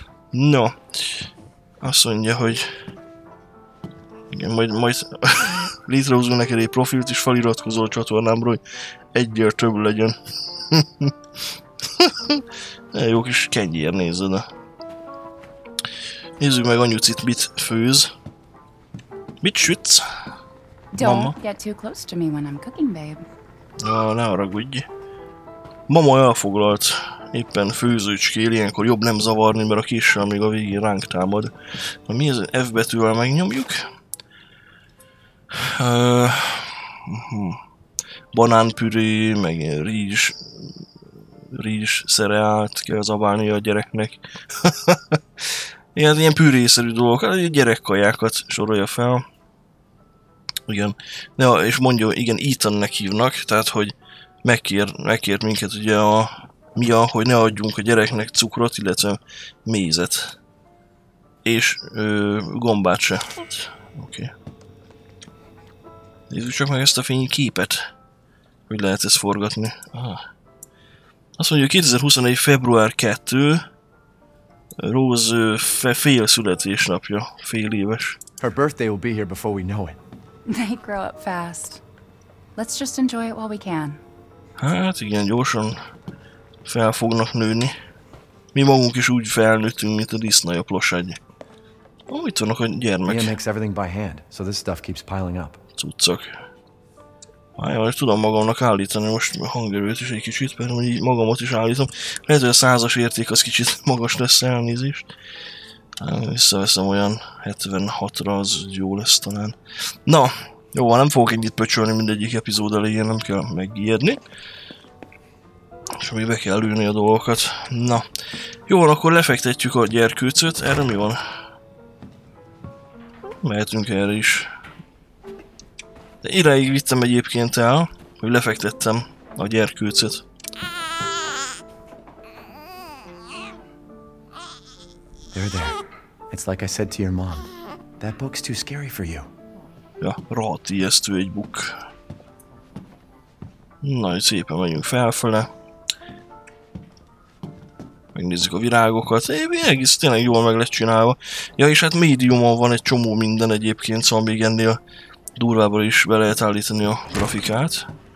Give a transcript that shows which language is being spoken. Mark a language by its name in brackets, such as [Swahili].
[Hungarian] Na, azt mondja, hogy igen, majd létrehozunk neked egy profilt és feliratkozol a csatornámra, hogy egyért több legyen. Jó kis kenyér, nézzed. Nézzük meg anyucit, mit főz. Mit sütsz? Mama? [English] Don't get too close to me when I'm cooking, babe. [Hungarian] Na, ne haragudj. Mama elfoglalt éppen főzőcskél, ilyenkor jobb nem zavarni, mert a késsel még a végén ránk támad. Na, mi ez? F betűvel megnyomjuk. Banánpüré, meg ilyen rizs. Rizs szereált kell zabálni a gyereknek. ilyen pürészerű dolgok, hát gyerekkajákat sorolja fel. Igen. Ja, és mondja, igen, Ethannek hívnak, tehát hogy megkér minket ugye a Mia, hogy ne adjunk a gyereknek cukrot, illetve mézet. És gombát se. Okay. Nézzük csak meg ezt a fényképet. Hogy lehet ezt forgatni. Azt mondja, 2021. február 2. Rose fél születésnapja, fél éves. [English] Her birthday will be here before we know it. They grow up fast. Let's just enjoy it while we can. [Hungarian] Hát igen, gyorsan fel fognak nőni. Mi magunk is úgy felnőttünk, mint a disznai a plosány. Oh, itt vannak a gyermek. [English] Mia makes everything by hand, so this stuff keeps piling up. [Hungarian] Cuccok. Várjál, hogy tudom magamnak állítani most hangerőt is egy kicsit, mert hogy magamat is állítom. Lehet, hogy a 100-as érték az kicsit magas lesz, elnézést. Visszaveszem olyan 76-ra, az jó lesz talán. Na, jó, nem fogok ennyit pöcsölni mindegyik epizód elején, nem kell megijedni. És mi be kell lőni a dolgokat. Na, jó, akkor lefektetjük a gyerkőcöt. Erre mi van? Mehetünk erre is. De ideig vittem egyébként el, hogy lefektettem a gyerkőcöt. [English] It's like I said to your mom. That book's too scary for you. [Hungarian] Ja, rohadt ijesztő egy book. Nagyon szépen megyünk felfele. Megnézzük a virágokat. Egész tényleg jól meg lett csinálva. Ja, és hát médiumon van egy csomó minden egyébként, szóval még ennél durvábbra is be lehet állítani a grafikát.